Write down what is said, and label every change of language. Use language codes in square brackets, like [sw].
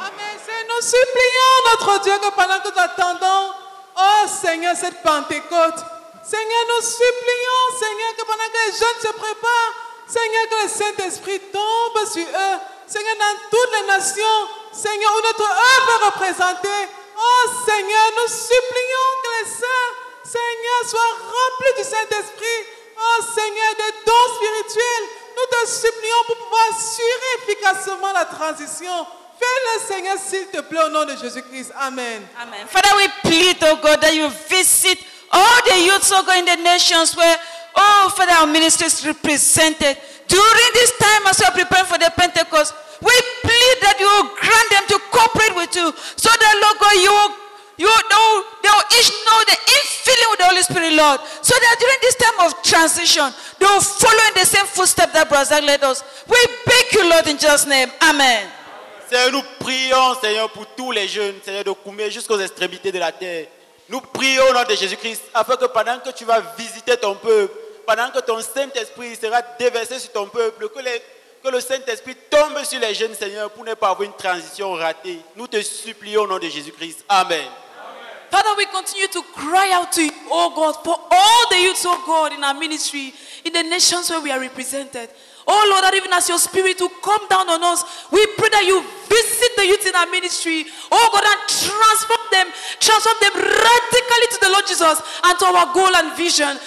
[fr] Seigneur, nous supplions notre Dieu que pendant que nous attendons, oh Seigneur, cette Pentecôte, Seigneur, nous supplions, Seigneur, que pendant que les jeunes se préparent, Seigneur, que le Saint-Esprit tombe sur eux, Seigneur, dans toutes les nations, Seigneur, où notre œuvre est représentée, oh Seigneur, nous supplions que les saints, Seigneur, sois rempli du Saint-Esprit. Oh Seigneur, des dons spirituels. Nous te supplions pour pouvoir assurer efficacement la transition. Fais-le, Seigneur, s'il te plaît, au nom de Jésus-Christ. Amen. Amen. [en] Father, we plead, oh God, that you visit all the youths, oh God, in the nations where, oh all that our ministers represented during this time as we are preparing for the Pentecost. We plead that you will grant them to cooperate with you so that, Lord God, they will each know the infilling with the Holy Spirit, Lord, so that during this time of transition, they will follow in the same footsteps that Brother led us. We beg you, Lord, in Jesus' name. Amen. [fr] Seigneur, nous prions, Seigneur, pour tous les jeunes, Seigneur, de Koumé jusqu'aux extrémités de la terre. Nous prions au nom de Jésus-Christ afin que pendant que tu vas visiter ton peuple, pendant que ton Saint-Esprit sera déversé sur ton peuple, que le Saint-Esprit tombe sur les jeunes, Seigneur, pour ne pas avoir une transition ratée. Nous te supplions au nom de Jésus-Christ. Amen. [en] Father, we continue to cry out to you, oh God, for all the youths, oh God, in our ministry, in the nations where we are represented. Oh Lord, that even as your spirit will come down on us, we pray that you visit the youth in our ministry. Oh God, and transform them radically to the Lord Jesus and to our goal and vision.